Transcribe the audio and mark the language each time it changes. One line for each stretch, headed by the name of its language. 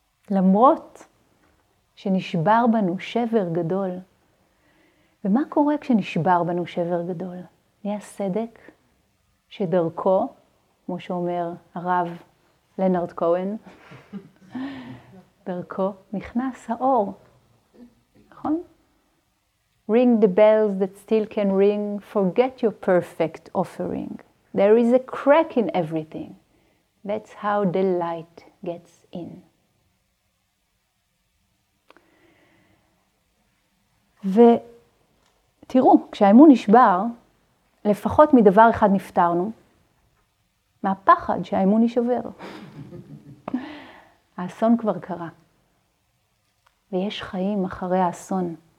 Hebrew: למרות שנשבר בנו שבר גדול. ומה קורה כשנשבר בנו שבר גדול? נהיה סדק שדרכו, כמו שאומר הרב לנרד כהן, דרכו נכנס האור. נכון?
English: Ring the bells that still can ring. Forget your perfect offering. There is a crack in everything. That's how the light gets in.
Hebrew: ותראו, כשהאמון נשבר, לפחות מדבר אחד נפטרנו, מהפחד שהאמון יישבר. האסון כבר קרה. ויש חיים אחרי האסון.